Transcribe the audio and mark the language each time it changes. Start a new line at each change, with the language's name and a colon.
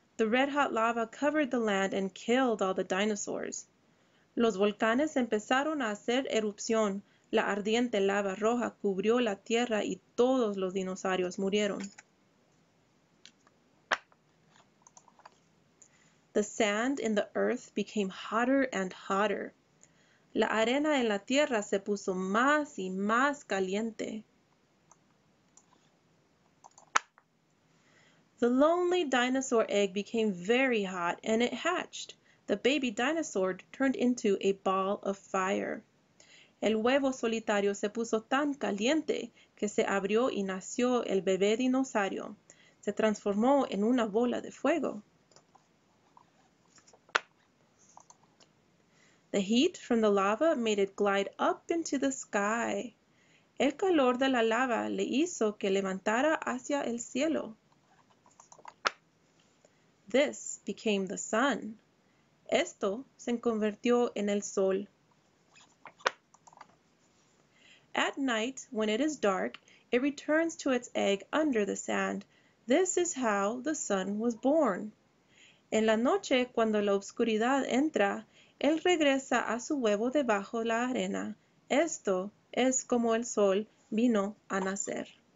English: The red-hot lava covered the land and killed all the dinosaurs.
Spanish: Los volcanes empezaron a hacer erupción. La ardiente lava roja cubrió la tierra y todos los dinosaurios murieron.
English: The sand in the earth became hotter and hotter.
Spanish: La arena en la tierra se puso más y más caliente.
English: The lonely dinosaur egg became very hot and it hatched. The baby dinosaur turned into a ball of fire.
Spanish: El huevo solitario se puso tan caliente que se abrió y nació el bebé dinosaurio. Se transformó en una bola de fuego.
English: The heat from the lava made it glide up into the sky.
Spanish: El calor de la lava le hizo que levantara hacia el cielo.
English: This became the sun.
Spanish: Esto se convirtió en el sol.
English: At night, when it is dark, it returns to its egg under the sand. This is how the sun was born.
Spanish: En la noche, cuando la oscuridad entra, él regresa a su huevo debajo la arena. Esto es como el sol vino a nacer.